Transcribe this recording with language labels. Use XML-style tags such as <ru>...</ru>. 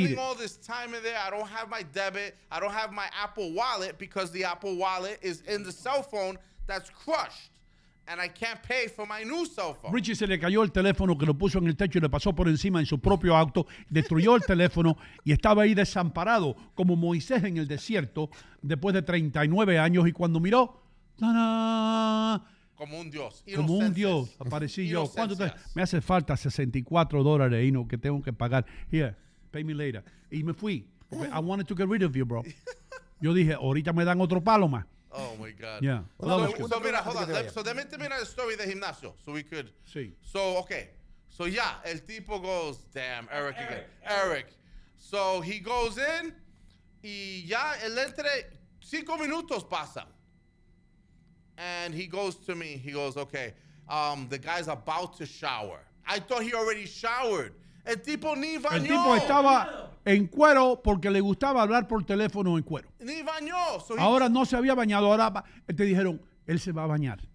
<en>Spending all this time in there, I don't have my debit. I don't have my Apple wallet because the Apple wallet is in the cell phone that's crushed. And I can't pay for my new cell phone.</en> <es>Richie se le cayó el teléfono que lo puso en el techo y le pasó por encima en su propio auto, destruyó el teléfono y estaba ahí desamparado como Moisés en el desierto después de 39 años y cuando miró, ¡tada! Como un dios. Como un dios, aparecí yo. ¿Cuánto te? Me hace falta $64, Ino, que tengo que pagar.</es> <en>Here, pay me later.</en> <es>Y me fui.</es> <en>I wanted to get rid of you, bro.</en> <es>Yo dije, ahorita me dan otro palo más.</es> <en>Oh my God. Yeah. Well, so mira, hold on. So let me terminar the story of the gimnasio. So we could.</en> <es>Sí.</es> <en>So, okay. So yeah, el tipo goes, damn, Eric again. Eric. So he goes in,</en> <es>y ya el entre 5 minutos pasa.</es> <en>And he goes to me, he goes, okay, the guy's about to shower. I thought he already showered.</en> <es>El tipo ni bañó. El tipo estaba en cuero porque le gustaba hablar por teléfono en cuero. Ni bañó. So ahora no se había bañado. Ahora te dijeron, él se va a bañar.</es>